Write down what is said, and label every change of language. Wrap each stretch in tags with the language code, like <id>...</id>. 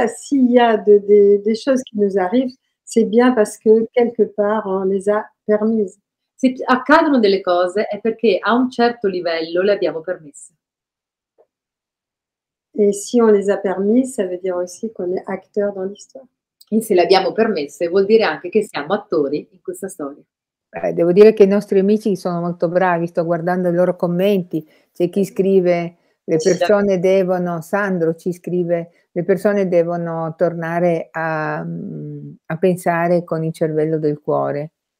<fr>S'il y a des choses qui nous arrivent, c'est bien parce que quelque part on les a permises.</fr> <it>Se accadono delle cose è perché a un certo livello le abbiamo permesse.</it> <fr>Et si on les a permis, ça veut dire aussi qu'on est acteur dans l'histoire.</fr> <it>E se le abbiamo permesse vuol dire anche che siamo attori in questa storia. Devo dire che i nostri amici sono molto bravi, sto guardando i loro commenti, c'è chi scrive le persone devono, Sandro ci scrive, le persone devono tornare a pensare con il cervello del cuore.</it>